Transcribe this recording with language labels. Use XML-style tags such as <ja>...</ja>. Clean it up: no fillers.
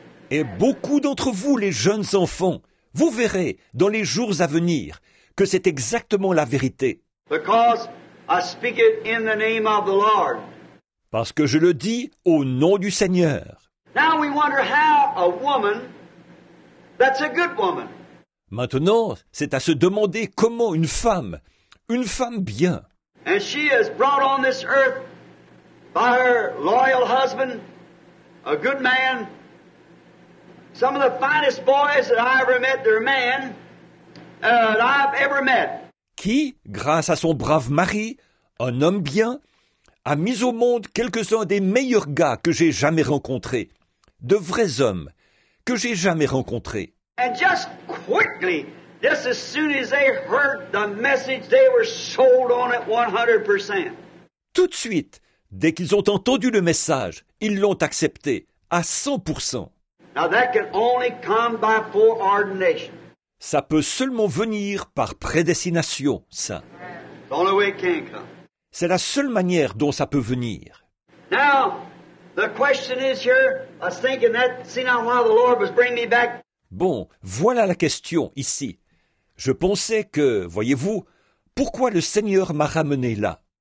<fr>Et beaucoup d'entre vous, les jeunes enfants, vous verrez dans les jours à venir que c'est exactement la vérité.</fr> <en>Because I speak it in the name of the Lord.</en> <fr>Parce que je le dis au nom du Seigneur.</fr> <en>Now we wonder how a woman that's a good woman.</en> <fr>Maintenant, c'est à se demander comment une femme bien,</fr> <en>and she is brought on this earth by her loyal husband, a good man, some of the finest boys that I ever met, their man, that I've ever met.</en> <fr>Qui, grâce à son brave mari, un homme bien, a mis au monde quelques-uns des meilleurs gars que j'ai jamais rencontrés, de vrais hommes que j'ai jamais rencontrés.</fr> <en>And just quickly, just as soon as they heard the message, they were sold on it 100%.</en> <fr>Tout de suite, dès qu'ils ont entendu le message, ils l'ont accepté à 100%.</fr> <en>Now that can only come by foreordination.</en> <fr>Ça peut seulement venir par prédestination, ça.</fr> <en>The only way it can come.</en> <fr>C'est la seule manière dont ça peut venir.</fr> <en>Now, the question is here, I was thinking that, see now why the Lord was bringing me back.</en> <fr>Bon, voilà la question ici. Je pensais que, voyez-vous, pourquoi le Seigneur m'a ramené là?</fr>